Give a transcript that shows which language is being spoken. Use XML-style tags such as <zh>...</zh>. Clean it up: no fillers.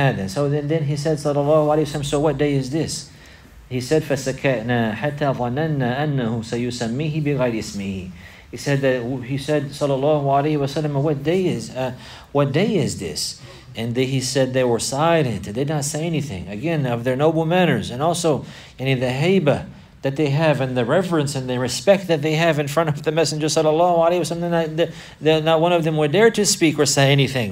<en>So then he said, sallallahu alayhi wa sallam, so what day is this? He said,</en> <ar>فَسَكَأْنَا حَتَّى ظَنَنَّا أَنَّهُ سَيُسَمِّيهِ بِغَيْرِ اسْمِهِ.</ar> <en>He said, sallallahu alayhi wa sallam, what day is this? And he said they were silent. They did not say anything. Again, of their noble manners. And also, any the haybah that they have, and the reverence and the respect that they have in front of the Messenger sallallahu alayhi wa sallam, not one of them would dare to speak or say anything.</en>